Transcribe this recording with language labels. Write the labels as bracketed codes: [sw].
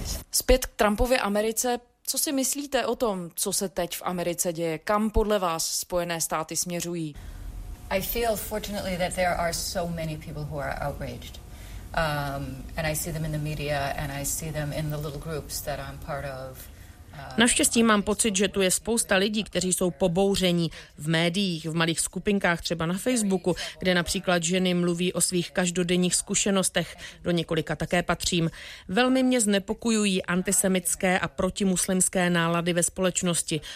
[cs] Zpět k Trumpově Americe, co si myslíte o tom, co se teď v Americe děje? Kam podle vás Spojené státy směřují? [en] I feel fortunately that there are so many people who are outraged. And I see them in the media and I see them in the little groups that I'm part of. [cs] Naštěstí mám pocit, že tu je spousta lidí, kteří jsou pobouření v médiích, v malých skupinkách, třeba na Facebooku, kde například ženy mluví o svých každodenních zkušenostech, do několika také patřím. Velmi mě znepokojují antisemitské a protimuslimské nálady ve společnosti.